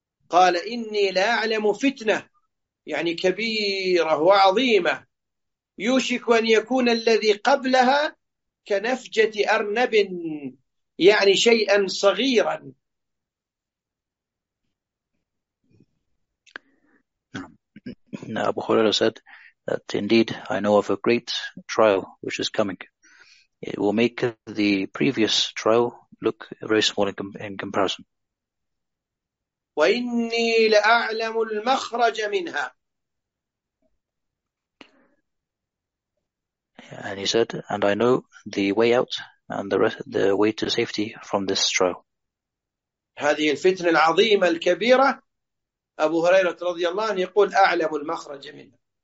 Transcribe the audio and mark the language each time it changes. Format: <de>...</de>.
<ar>قال إني لا أعلم فتنة يعني كبيرة وعظيمة يوشك أن يكون الذي قبلها كنفجة أرنب يعني شيئا صغيرا.</ar> <en>Now, Abu Huraira said that indeed I know of a great trial which is coming. It will make the previous trial look very small in comparison.</en> <ar>وإني لأعلم المخرج منها.</ar> <en>And he said, and I know the way out and the way to safety from this trial.</en> <ar>هذه الفتنة العظيمة الكبيرة أبو هريرة رضي الله عنه يقول أعلم المخرج منها.</ar>